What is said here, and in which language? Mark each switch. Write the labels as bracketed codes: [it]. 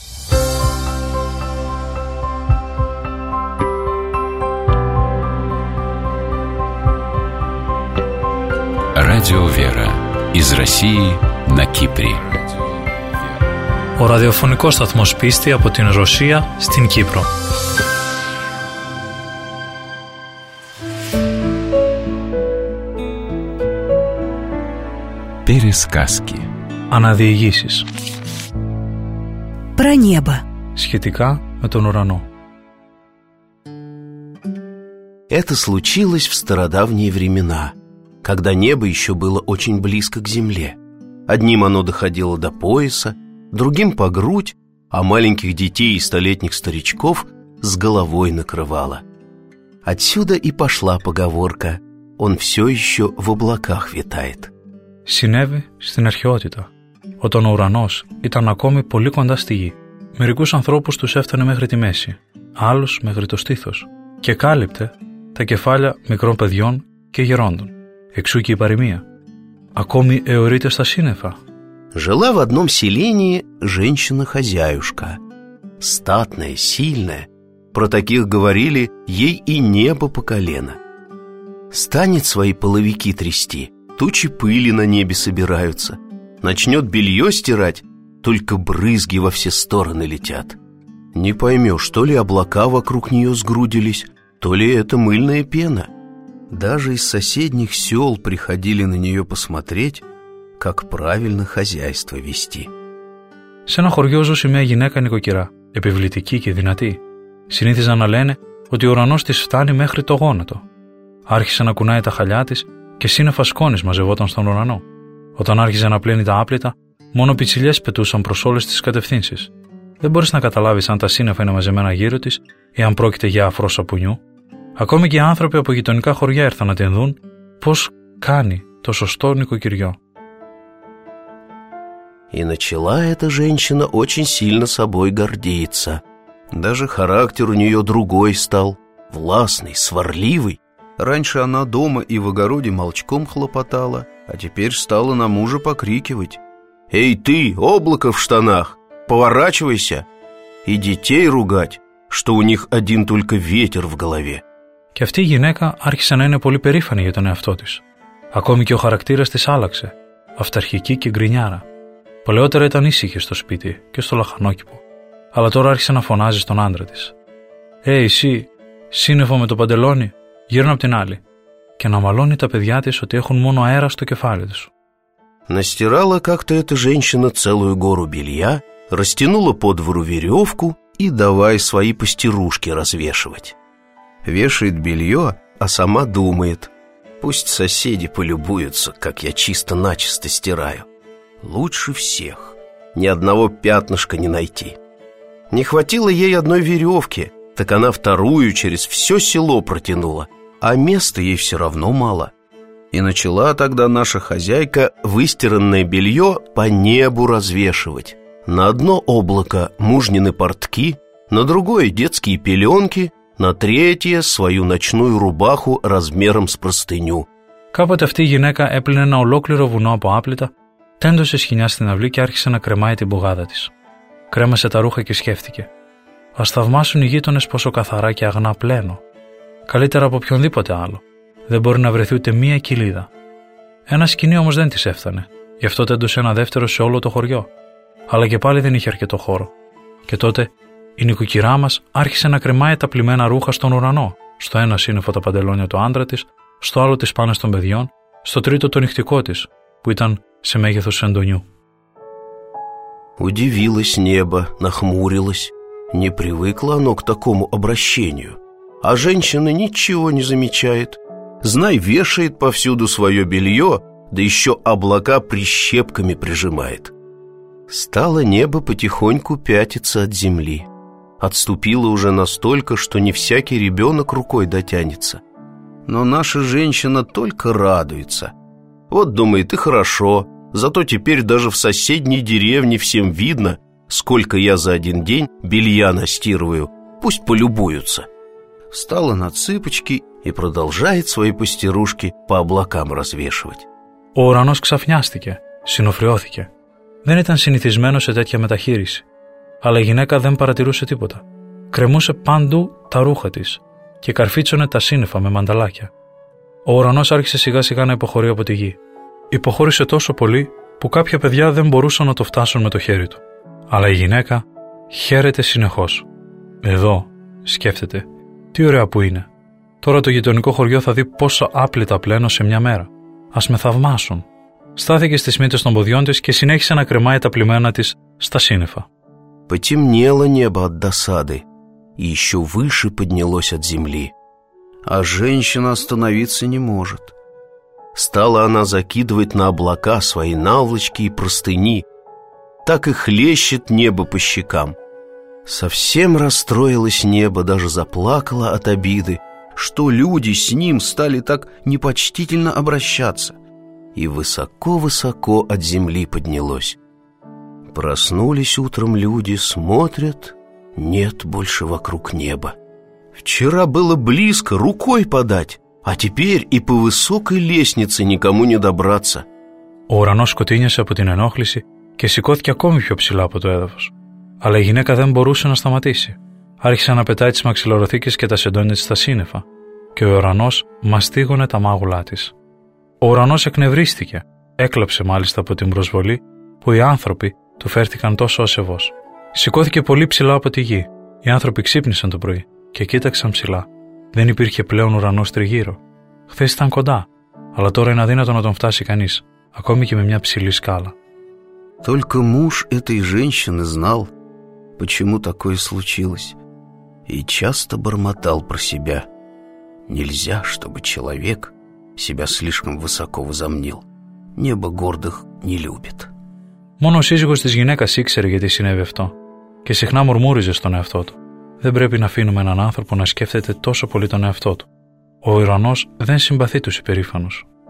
[ru] Радио Вера из России на Кипре. [el] Ο ραδιοφωνικός σταθμός πίστη από την Ρωσία στην Κύπρο. [ru] Пересказки. [el] Αναδιηγήσεις. [ru] Про небо. [el] Σχετικά με τον ουρανό. [ru] Это случилось в стародавние времена, когда небо еще было очень близко к земле. Одним оно доходило до пояса, другим по грудь, а маленьких детей и столетних старичков с головой накрывало. Отсюда и пошла поговорка: «Он все еще в облаках витает». [el] Συνέβη στην αρχαιότητα, όταν ο ουρανός ήταν ακόμη πολύ κοντά στη γη. Μερικούς ανθρώπους τους έφτανε μέχρι τη μέση, άλλους μέχρι το στήθος, και κάλυπτε τα κεφάλια μικρών παιδιών και γερόντων. Εξού και η παροιμία: «Ακόμη αιωρείται στα σύννεφα». [ru] Жила в одном селении женщина-хозяюшка. Статная, сильная. Про таких говорили, ей и небо по колено. Станет свои половики трясти, тучи пыли на небе собираются. Начнет белье стирать, только брызги во все стороны летят. Не поймешь, то ли облака вокруг нее сгрудились, то ли это мыльная пена. Даже из соседних сел приходили на нее посмотреть, как правильно хозяйство вести. [el] Σε ένα χωριό ζούσε μια γυναίκα νοικοκυρά, επιβλητική και δυνατή. Συνήθιζαν να λένε ότι ο ουρανός της φτάνει μέχρι το γόνατο. Άρχισε να κουνάει τα χαλιά της και σύννεφα σκόνης μαζευόταν στον ουρανό. Όταν άρχιζε να πλύνει τα άπλυτα, μόνο πιτσιλιές πετούσαν προς όλες τις κατευθύνσεις. Δεν μπορείς να καταλάβεις αν τα σύννεφα είναι μαζεμένα γύρω της ή αν πρόκειται για αφρό σαπουνιού. Ακόμη και άνθρωποι από γειτονικά χωριά έρθαν να την δουν πώς κάνει το σωστό νοικοκυριό. [ru] И начала эта женщина очень сильно собой гордиться. Даже характер у нее другой стал, властный, сварливый. Раньше она дома и в огороде молчком хлопотала, а теперь стала на мужа покрикивать: «Эй ты, облако в штанах, поворачивайся!» И детей ругать, что у них один только ветер в голове. [el] Και αυτή η γυναίκα άρχισε να είναι πολύ περήφανη για τον εαυτό της. Ακόμη και ο χαρακτήρας της άλλαξε, αυταρχική και γκρινιάρα. Παλαιότερα ήταν ήσυχη στο σπίτι και στο λαχανόκηπο, αλλά τώρα άρχισε να φωνάζει στον άντρα της: «Ε, εσύ, σύννεφο με το παντελόνι, γύρνα απ' την άλλη», και να μαλώνει τα παιδιά της ότι έχουν μόνο αέρα στο κεφάλι τους. [ru] Настирала как-то эта женщина целую гору белья, растянула по двору веревку и давай свои постирушки развешивать. Вешает белье, а сама думает: «Пусть соседи полюбуются, как я чисто-начисто стираю. Лучше всех. Ни одного пятнышка не найти». Не хватило ей одной веревки, так она вторую через все село протянула, а места ей все равно мало. И начала тогда наша хозяйка выстиранное белье по небу развешивать. На одно облако мужнины портки, на другое детские пеленки, на третье свою ночную рубаху размером с простыню. [el] Капот авти гинека эплине на олоклиро вуно апо аплита. Τέντωσε σχοινιά στην αυλή και άρχισε να κρεμάει την πογάδα της. Κρέμασε τα ρούχα και σκέφτηκε: «Ας θαυμάσουν οι γείτονες πόσο καθαρά και αγνά πλένω. Καλύτερα από οποιονδήποτε άλλο. Δεν μπορεί να βρεθεί ούτε μία κοιλίδα». Ένα σκοινί όμως δεν της έφτανε. Γι' αυτό τέντωσε ένα δεύτερο σε όλο το χωριό. Αλλά και πάλι δεν είχε αρκετό χώρο. Και τότε η νοικοκυρά μας άρχισε να κρεμάει τα πλημμένα ρούχα στον ουρανό. Στο ένα σύννεφο τα παντελόνια του άντρα της, στο άλλο τις πάνες των παιδιών, στο τρίτο το νυχτικό της, που ήταν σε μέγεθος σεντονιού. [ru] Удивилось небо, нахмурилось. Не привыкло оно к такому обращению. А женщина ничего не замечает. Знай, вешает повсюду свое белье, да еще облака прищепками прижимает. Стало небо потихоньку пятиться от земли. Отступило уже настолько, что не всякий ребенок рукой дотянется. Но наша женщина только радуется. Вот, думает, и хорошо, зато теперь даже в соседней деревне всем видно, сколько я за один день белья настирываю, пусть полюбуются. Встала на цыпочки и продолжает свои пастирушки по облакам развешивать. [el] Ο ουρανός ξαφνιάστηκε, συνοφριώθηκε. Δεν ήταν συνηθισμένο σε τέτοια μεταχείριση. Αλλά η γυναίκα δεν παρατηρούσε τίποτα. Κρεμούσε πάντου τα ρούχα της και καρφίτσωνε τα σύννεφα με μανταλάκια. Ο ουρανός άρχισε σιγά σιγά να υποχωρεί από τη γη. Υποχώρησε τόσο πολύ που κάποια παιδιά δεν μπορούσαν να το φτάσουν με το χέρι του. Αλλά η γυναίκα χαίρεται συνεχώς. Εδώ, σκέφτεται, τι ωραία που είναι. Τώρα το γειτονικό χωριό θα δει πόσο άπλυτα πλένω σε μια μέρα. Ας με θαυμάσουν. Στάθηκε στις μύτες των ποδιών της και συνέχισε να κρεμάει τα πλημμένα της στα σύννεφα. [ru] Потемнело небо от досады, и еще выше поднялось от земли. А женщина остановиться не может. Стала она закидывать на облака свои наволочки и простыни. Так и хлещет небо по щекам. Совсем расстроилось небо, даже заплакало от обиды, что люди с ним стали так непочтительно обращаться. И высоко-высоко от земли поднялось. Проснулись утром люди, смотрят, нет больше вокруг неба. Вчера было близко рукой подать, а теперь и по высокой лестнице никому не добраться. [el] Ο ουρανός σκοτίνιασε από την ενόχληση και σηκώθηκε ακόμη πιο ψηλά από το έδαφος. Αλλά η γυναίκα δεν μπορούσε να σταματήσει. Άρχισε να πετάει τις μαξιλοροθήκες και τα σεντόνια της στα σύννεφα και ο ουρανός μαστίγωνε τα μάγουλά της. Ο ουρανός εκνευρίστηκε, έκλαψε μάλιστα από την προσβολή που οι άνθρωποι του φέρθηκαν τόσο ασεβώς. Σηκώθηκε πολύ ψηλά από τη γη. Οι άνθρωποι ξύπνησαν το πρωί και κοίταξαν ψηλά. Δεν υπήρχε πλέον ουρανός τριγύρω. Χθες ήταν κοντά, αλλά τώρα είναι αδύνατο να τον φτάσει κανείς, ακόμη και με μια ψηλή σκάλα. [ru] Только муж этой женщины знал, почему такое случилось, и часто бормотал про себя. Нельзя, чтобы человек себя слишком высоко возомнил. Небо гордых не любит. [el] Μόνο ο σύζυγος της γυναίκας ήξερε γιατί συνέβη αυτό και συχνά μουρμούριζε στον εαυτό του. Δεν πρέπει να αφήνουμε έναν άνθρωπο να σκέφτεται τόσο πολύ τον εαυτό του. Ο ουρανός δεν συμπαθεί τους υπερήφανους.